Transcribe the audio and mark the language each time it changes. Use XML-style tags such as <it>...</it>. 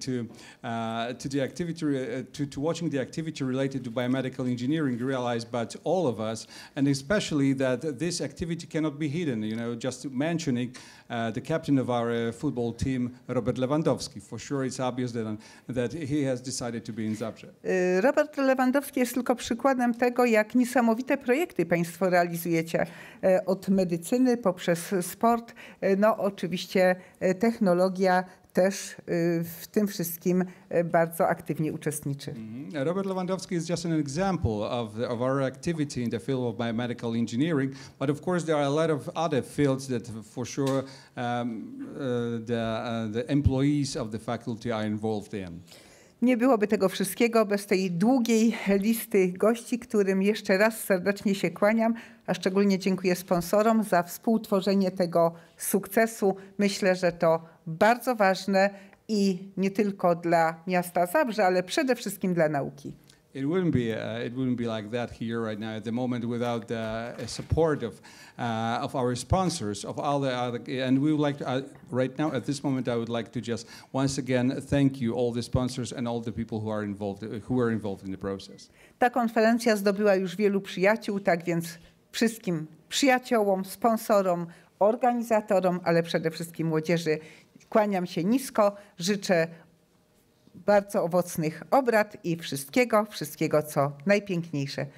<en>We are continuing to watching the activity related to biomedical engineering realized by all of us, and especially that this activity cannot be hidden. You know, just mentioning the captain of our football team, Robert Lewandowski. For sure, it's obvious that he has decided to be in Zabrze.</en> <pl>Robert Lewandowski jest tylko przykładem tego, jak niesamowite projekty państwo realizujecie od medycyny poprzez sport. No oczywiście technologia też w tym wszystkim bardzo aktywnie uczestniczy.</pl> <en>Robert Lewandowski is just an example of our activity in the field of biomedical engineering, but of course there are a lot of other fields that for sure the employees of the faculty are involved in.</en> <pl>Nie byłoby tego wszystkiego bez tej długiej listy gości, którym jeszcze raz serdecznie się kłaniam, a szczególnie dziękuję sponsorom za współtworzenie tego sukcesu. Myślę, że to bardzo ważne i nie tylko dla miasta Zabrze, ale przede wszystkim dla nauki.</pl> <en>It wouldn't be like that here right now at the moment without the support of our sponsors, of all the other, and we would like to, right now at this moment I would like to just once again thank you all the sponsors and all the people who are involved in the process.</en> <pl>Ta konferencja zdobyła już wielu przyjaciół, tak więc wszystkim przyjaciołom, sponsorom, organizatorom, ale przede wszystkim młodzieży kłaniam się nisko, życzę bardzo owocnych obrad i wszystkiego, co najpiękniejsze.</pl>